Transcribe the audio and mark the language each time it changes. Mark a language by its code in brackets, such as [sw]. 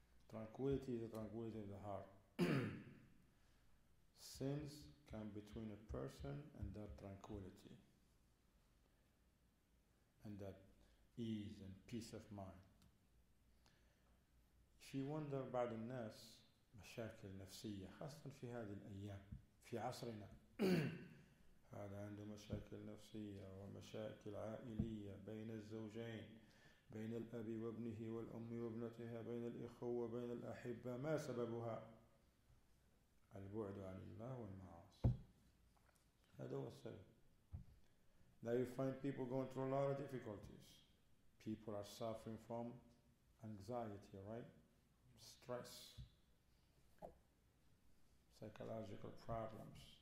[en] Tranquility is the tranquility of the heart. Sins come between a person and that tranquility and that ease and peace of mind. If you wonder about the nurse, [ar] مشاكل نفسية خاصة في هذه الأيام في عصرنا هذا عنده مشاكل نفسية ومشاكل عائلية بين الزوجين بين الأب وابنه والأم وابنتها بين الإخوة وبين الأحبة ما سببها؟ البعد عن الله والمعاصي. هذا هو السبب. [en] Now you find people going through a lot of difficulties. People are suffering from anxiety, right? Stress. Psychological problems.